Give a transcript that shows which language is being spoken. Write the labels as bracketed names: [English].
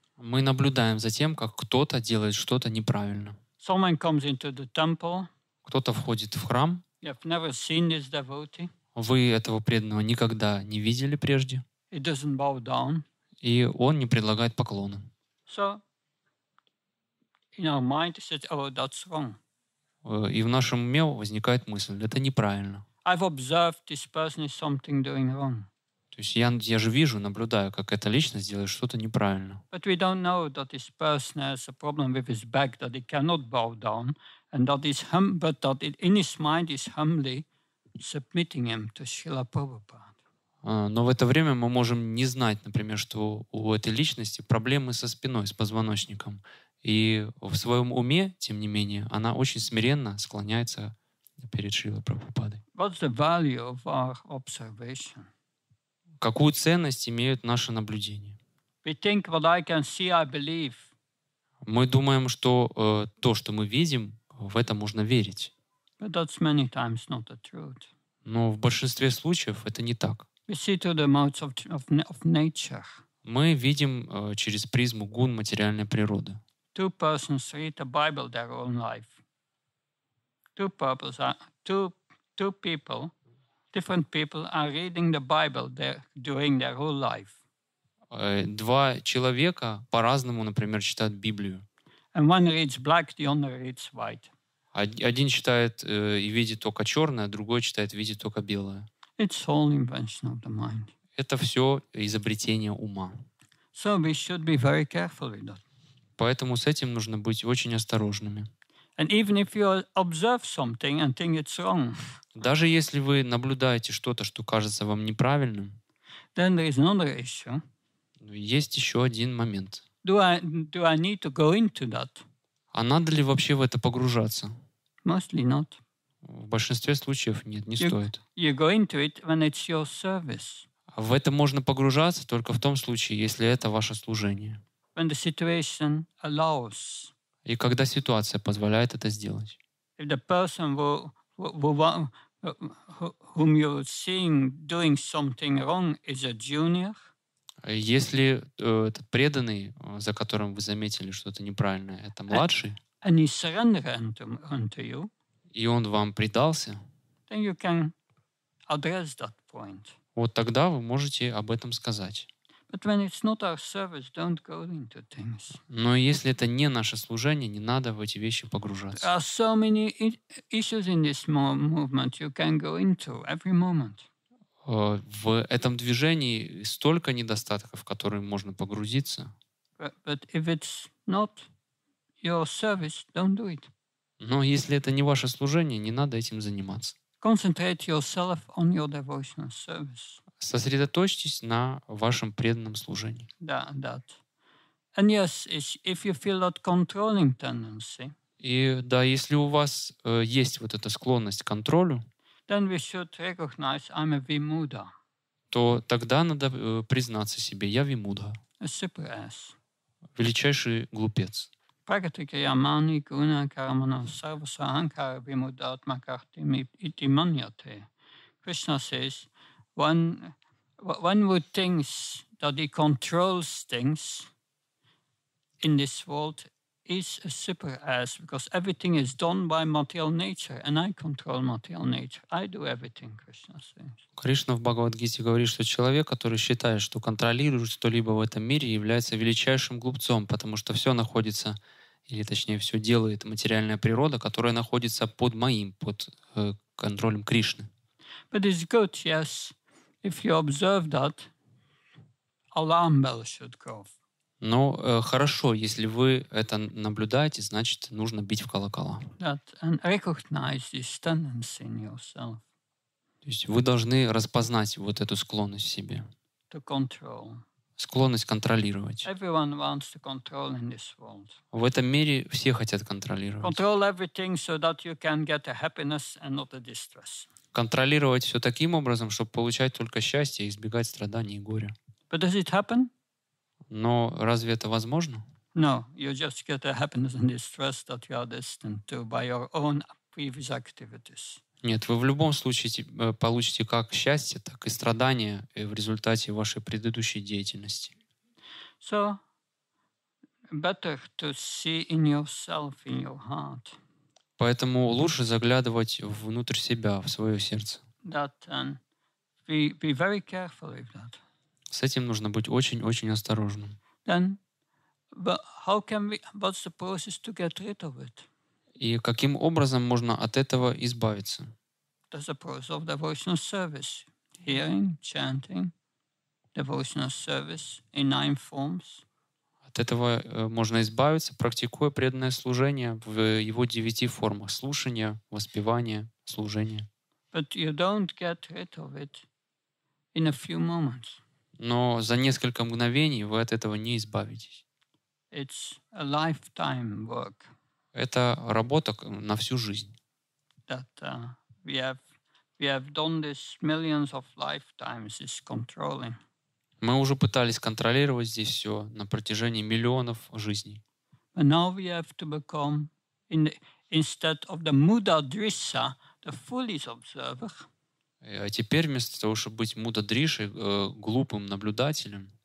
[Russian] Мы наблюдаем за тем, как кто-то делает что-то неправильно. [English] Someone comes into the temple. [Russian] Кто-то входит в храм. [English] You have never seen this devotee. [Russian] Вы этого преданного никогда не видели прежде. [English] He doesn't bow down. [Russian] И он не предлагает поклона. [English] So, in our mind, said, oh, that's wrong. [Russian] И в нашем уме возникает мысль: это неправильно. [English] I've observed this person is something doing wrong. [Russian] То есть я же вижу, наблюдаю, как эта личность делает что-то неправильно. [English] But we don't know that this person has a problem with his back, that he cannot bow down, and that is but that in his mind is humbly submitting him to Srila Prabhupada. [Russian] Но в это время мы можем не знать, например, что у этой личности проблемы со спиной, с позвоночником. И в своем уме, тем не менее, она очень смиренно склоняется перед Шрила Прабхупадой. [English] What's the value of our observation? [Russian] Какую ценность имеют наши наблюдения? [English] We think what I can see, I believe. [Russian] Мы думаем, что то, что мы видим, в это можно верить. [English] But that's many times not the truth. [Russian] Но в большинстве случаев это не так. [English] We see through the modes of nature. [Russian] Мы видим через призму гун материальной природы. [English] Two persons read the Bible their own life. Two people, different people are reading the Bible during their whole life. [Russian] Два человека по-разному, например, читают Библию. [English] And one reads black, the other reads white. [Russian] Один читает и видит только черное, другой читает и видит только белое. [English] It's all invention of the mind. [Russian] Это все изобретение ума. [English] So we should be very careful with that. [Russian] Поэтому с этим нужно быть очень осторожными. [English] And even if you observe something and think it's wrong. [Russian] Даже если вы наблюдаете что-то, что кажется вам неправильным. [English] Then there is another issue. [Russian] Есть еще один момент. [English] Do I need to go into that? [Russian] А надо ли вообще в это погружаться? [English] Mostly not. [Russian] В большинстве случаев нет, не стоит. [English] You go into it when it's your service. [Russian] В это можно погружаться только в том случае, если это ваше служение. [English] When the situation allows. [Russian] И когда ситуация позволяет это сделать. [English] If the person whom you're seeing doing something wrong is a junior. [Russian] Если этот преданный, за которым вы заметили что-то неправильное, это младший. [English] And he surrenders unto you. [Russian] и он вам предался, [English] then you can address that point. [Russian] Вот тогда вы можете об этом сказать. [English] But when it's not our service, don't go into things. [Russian] Но если это не наше служение, не надо в эти вещи погружаться. [English] There are so many issues in this movement you can go into every moment. [Russian] В этом движении столько недостатков, в которые можно погрузиться. [English] But if it's not your service, don't do it. [Russian] Но если это не ваше служение, не надо этим заниматься. [English] Concentrate yourself on your devotional service. [Russian] Сосредоточьтесь на вашем преданном служении. [English] Да, that. And yes, if you feel that controlling tendency. [Russian] И да, если у вас есть вот эта склонность к контролю. [English] Then we should recognize I'm a vimuda. [Russian] То тогда надо признаться себе, я вимуда. [English] A super ass. [Russian] Величайший глупец. [Sanskrit] Практика ямани гуна кармана сарваса анкара вимуда атма картими ити маньяте. [English] Krishna says, one would think that he controls things in this world is a super ass because everything is done by material nature and I control material nature. I do everything, Krishna says. [Russian] Кришна в Бхагавад-гите говорит, что человек, который считает, что контролирует что-либо в этом мире, является величайшим глупцом, потому что все находится, или точнее, все делает материальная природа, которая находится под моим, под контролем Кришны. [English] But it's good, yes, if you observe that, alarm bell should go off. [Russian] Но хорошо, если вы это наблюдаете, значит, нужно бить в колокола. [English] That, and recognize this tendency in yourself. [Russian] То есть вы должны распознать вот эту склонность в себе. [English] To control. [Russian] Склонность контролировать. [English] Everyone wants to control in this world. [Russian] В этом мире все хотят контролировать. [English] Control everything so that you can get a happiness and not a distress. [Russian] Контролировать все таким образом, чтобы получать только счастье и избегать страданий и горя. [English] But does it happen? [Russian] Но разве это возможно? [English] No, you just get a happiness and distress that you are destined to by your own previous activities. [Russian] Нет, вы в любом случае получите как счастье, так и страдания в результате вашей предыдущей деятельности. [English] So better to see in yourself, in your heart. [Russian] Поэтому лучше заглядывать внутрь себя, в свое сердце. [English] That, be very careful with that. [Russian] С этим нужно быть очень-очень осторожным. [English] Then, how can we, what's the process to get rid of it? [Russian] И каким образом можно от этого избавиться? [English] There's a process of devotional service. Hearing, chanting, devotional service in 9 forms. [Russian] От этого можно избавиться, практикуя преданное служение в его 9 формах. Слушание, воспевание, служение. [English] But you don't get rid of it in a few moments. [Russian] Но за несколько мгновений вы от этого не избавитесь. [English] It's a lifetime work. [Russian] Это работа на всю жизнь. [English] That, we have done this millions of lifetimes, is controlling. [Russian] Мы уже пытались контролировать здесь все на протяжении миллионов жизней. [English] But now we have to become, instead of the muda drissa, the foolish observer. [Russian] А теперь вместо того, чтобы быть мудадришей, глупым наблюдателем,